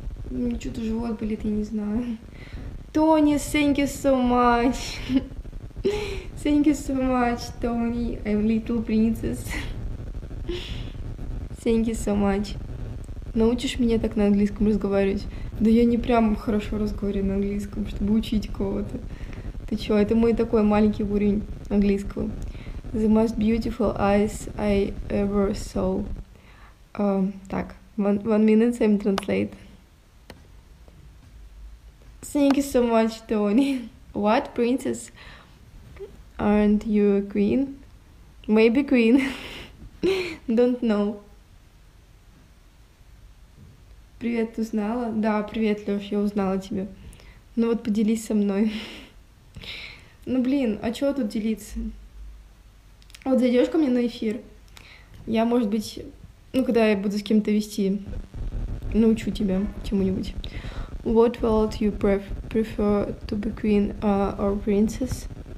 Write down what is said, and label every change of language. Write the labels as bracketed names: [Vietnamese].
[Russian] Мне что-то живот болит, я не знаю. [English] Тони, thank you so much. Thank you so much, Тони. I'm little princess. Thank you so much. [Russian] Научишь меня так на английском разговаривать? Да я не прям хорошо разговариваю на английском, чтобы учить кого-то. Ты чё, это мой такой маленький уровень английского. [English] The most beautiful eyes I ever saw. Так, one minute, I'm translate. Thank you so much, Tony. What, princess? Aren't you a queen? Maybe queen. Don't know. [Russian] Привет, узнала? Да, привет, Лёш, я узнала тебя. Ну вот, поделись со мной. Ну блин, а чего тут делиться? Вот зайдешь ко мне на эфир, я, может быть, ну, когда я буду с кем-то вести, научу тебя чему-нибудь. [English] What world you prefer to be queen or princess?